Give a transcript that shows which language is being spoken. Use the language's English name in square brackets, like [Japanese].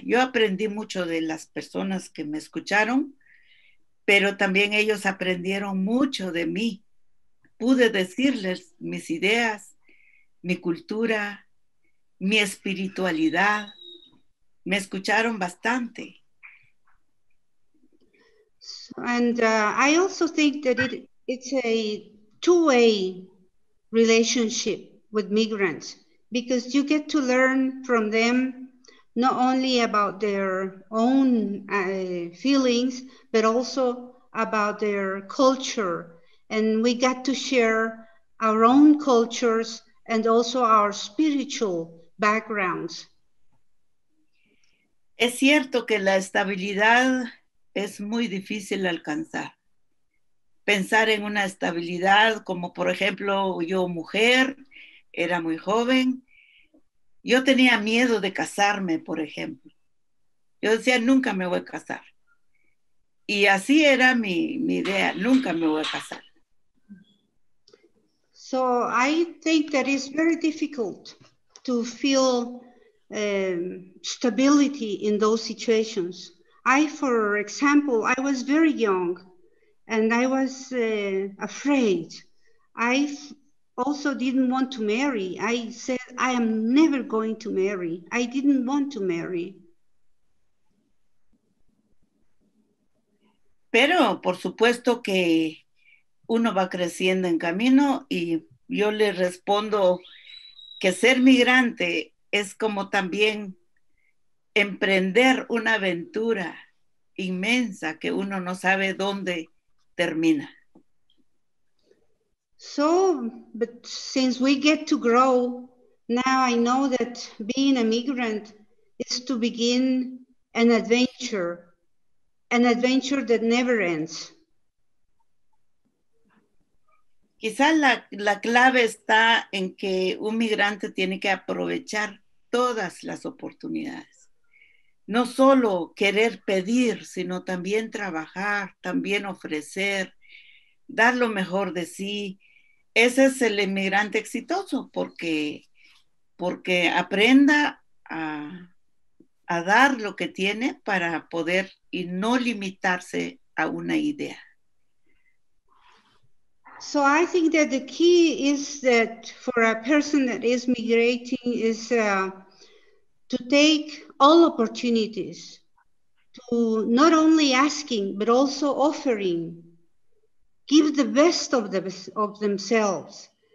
[Spanish] Yo aprendí mucho de las personas que me escucharon, pero también ellos aprendieron mucho de mí. Pude decirles mis ideas, mi cultura, mi espiritualidad. Me escucharon bastante. [English] And I also think that it's a two-way relationship with migrants, because you get to learn from them not only about their own feelings, but also about their culture. And we got to share our own cultures and also our spiritual backgrounds. [Spanish] Es cierto que la estabilidad es muy difícil alcanzar. Pensar en una estabilidad como, por ejemplo, yo mujer, era muy joven. Yo tenía miedo de casarme, por ejemplo. Yo decía, nunca me voy a casar. Y así era mi idea, nunca me voy a casar. [English] So I think that it's very difficult to feel stability in those situations. I, for example, I was very young and I was afraid. I also didn't want to marry. I said, I am never going to marry. I didn't want to marry. [Spanish] Pero por supuesto que uno va creciendo en camino, y yo le respondo que ser migrante es como también emprender una aventura inmensa que uno no sabe dónde termina. [English] So, but since we get to grow, now I know that being a migrant is to begin an adventure that never ends. [Spanish] Quizás la clave está en que un migrante tiene que aprovechar todas las oportunidades. No solo querer pedir, sino también trabajar, también ofrecer, dar lo mejor de sí. Ese es el inmigrante exitoso, porque aprenda a dar lo que tiene para poder y no limitarse a una idea. [English] So I think that the key is that for a person that is migrating is to take all opportunities, to not only asking, but also offering, give the best of themselves.